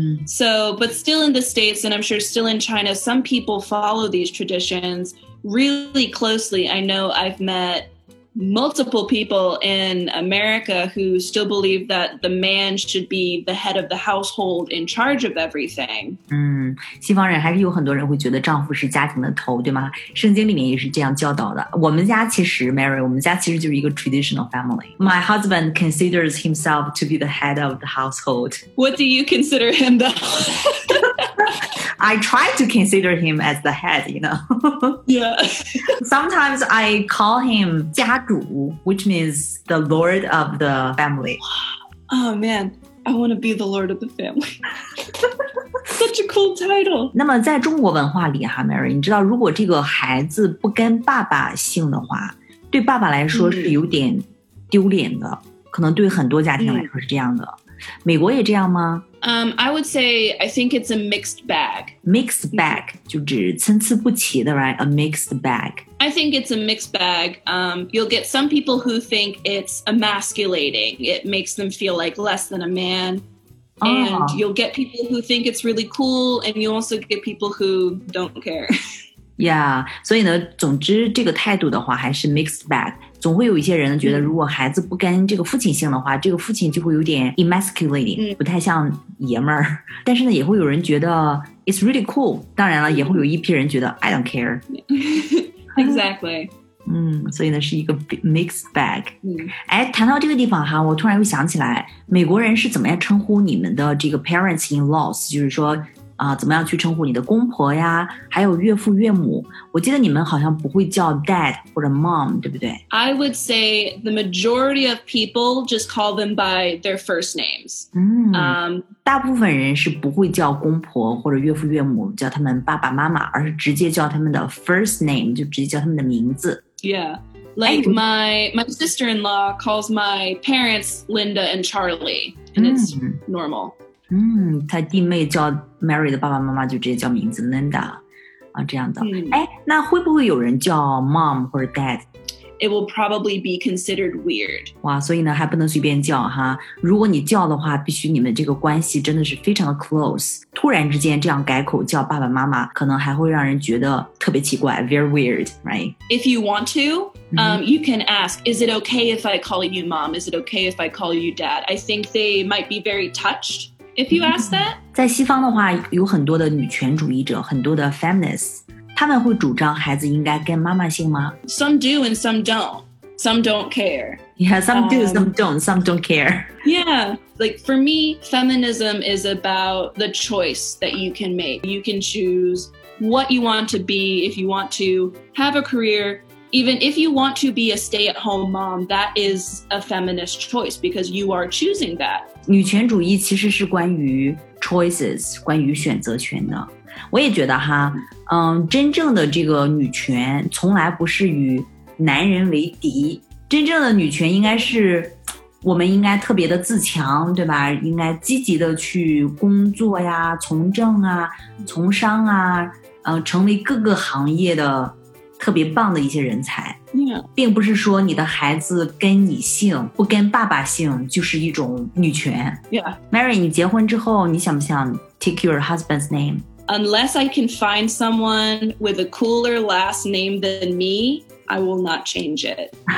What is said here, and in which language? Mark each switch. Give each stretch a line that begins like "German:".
English: So, but still in the States, and I'm sure still in China, some people follow these traditions really closely. I know I've met multiple people in America who still believe that the man should be the head of the household in charge of everything.
Chinese: 西方人还是有很多人会觉得丈夫是家庭的头，对吗？圣经里面也是这样教导的。我们家其实 Mary, 我们家其实就是一个 traditional family.
English: My husband considers himself to be the head of the household. What do you consider him though? I try to consider him as the head, you know. Yeah. Sometimes I call him 家主 which means the lord of the family. Oh man, I want to be the lord of the family. Such a cool title.
Chinese: 那么在中国文化里哈 Mary, 你知道如果这个孩子不跟爸爸姓的话对爸爸来说是有点丢脸的、可能对很多家庭来说是这样的。美国也这样吗？
English: I would say, I think it's a mixed bag. Mixed bag,
Chinese: 就指参差不齐的
English: right? A mixed bag. I think it's a mixed bag. You'll get some people who think it's emasculating. It makes them feel like less than a man. And you'll get people who think it's really cool, and you also get people who don't care.
Chinese: Yeah, 所以呢，总之这个态度的话还是 mixed bag. 总会有一些人觉得如果孩子不跟这个父亲姓的话、这个父亲就会有点 emasculating、不太像爷们儿。但是呢也会有人觉得
English: it's really cool
Chinese: 当然了、也会有一批人觉得
English: I don't care Exactly
Chinese: 所以呢是一个 mixed bag、谈到这个地方哈我突然又想起来美国人是怎么样称呼你们的这个 parents-in-laws 就是说怎么样去称呼你的公婆呀还有岳父岳母我记得你们好像不会叫 dad 或者 mom 对不对
English: I would say the majority of people just call them by their first names
Chinese: 大部分人是不会叫公婆或者岳父岳母叫他们爸爸妈妈而是直接叫他们的 first name 就直接叫他们的名字
English: Yeah like my sister-in-law calls my parents Linda and Charlie and it's normal
Chinese: 他弟妹叫 Mary 的爸爸妈妈就直接叫名字 Linda 这样的那会不会有人叫 Mom 或者 Dad
English: it will probably be considered weird.
Chinese: 哇，所以呢还不能随便叫哈。如果你叫的话，必须你们这个关系真的是非常的 close。突然之间这样改口叫爸爸妈妈，可能还会让人觉得特别奇怪 ，
English: very weird, right? If you want to, you can ask, "Is it okay if I call you mom? Is it okay if I call you dad?" I think they might be very touched if you ask that.
Chinese: 在西方的话，有很多的女权主义者，很多的 feminists。他们会主张孩子应该跟妈妈姓吗
English: ？Some do and some don't. Some don't care. Yeah, some do, some don't. Some don't care. Yeah, like for me, feminism is about the choice that you can make. You can choose what you want to be, if you want to have a career, even if you want to be a stay-at-home mom, that is a feminist choice because you are choosing that.
Chinese: 女权主义其实是关于 choices, 关于选择权的。我也觉得哈，真正的这个女权从来不是与男人为敌，真正的女权应该是我们应该特别的自强，对吧？应该积极的去工作呀，从政啊，从商啊，成为各个行业的特别棒的一些人才。
English: Yeah.
Chinese: 并不是说你的孩子跟你姓，不跟爸爸姓就是一种女权。
English: Yeah.
Chinese: Mary, 你结婚之后你想不想
English: take your husband's name? Unless I can find someone with a cooler last name than me, I will not change it.